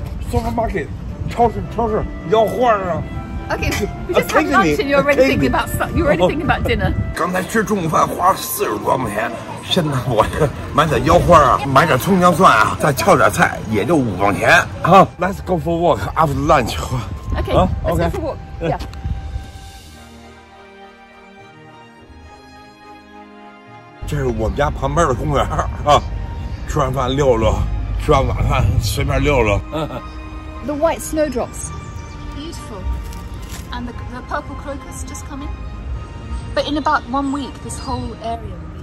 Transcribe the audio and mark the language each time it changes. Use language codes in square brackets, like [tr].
[zh] Supermarket, 超市，要货啊。 [en] Okay, we just had lunch and you're already thinking about dinner. [zh] 刚才吃中午饭花了40多块钱。现在我买点腰花啊，买点葱姜蒜啊，再翘点菜，也就5块钱啊。 [en] Let's go for a walk after lunch. Okay, okay. Let's go for a walk. Yeah. Yeah. [zh] 这是我们家旁边的公园啊，吃完饭溜溜，吃完晚饭随便溜溜。 [en] The white snowdrops, beautiful, and the purple crocus just coming. But in about 1 week, this whole area.